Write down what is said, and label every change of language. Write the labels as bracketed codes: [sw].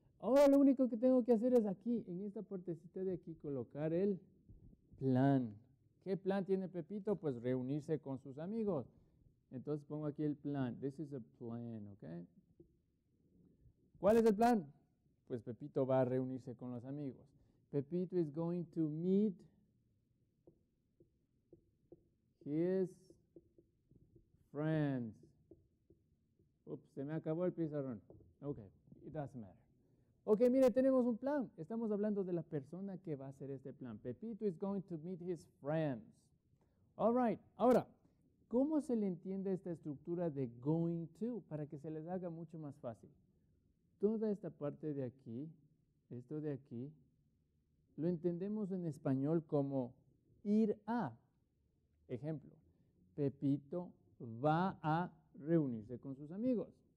[es] Ahora lo único que tengo que hacer es aquí, en esta partecita de aquí, colocar el plan. ¿Qué plan tiene Pepito? Pues reunirse con sus amigos. Entonces pongo aquí el plan, [en] this is a plan, [es] ¿ok? ¿Cuál es el plan? Pues Pepito va a reunirse con los amigos. [en] Pepito is going to meet his friends. [es] Ups, se me acabó el pizarrón. Ok, [en] it doesn't matter. [es] Ok, mire, tenemos un plan. Estamos hablando de la persona que va a hacer este plan. [en] Pepito is going to meet his friends. All right. [es] Ahora, ¿cómo se le entiende esta estructura de going to? Para que se les haga mucho más fácil. Toda esta parte de aquí, esto de aquí, lo entendemos en español como ir a. Ejemplo, Pepito va a reunirse con sus amigos.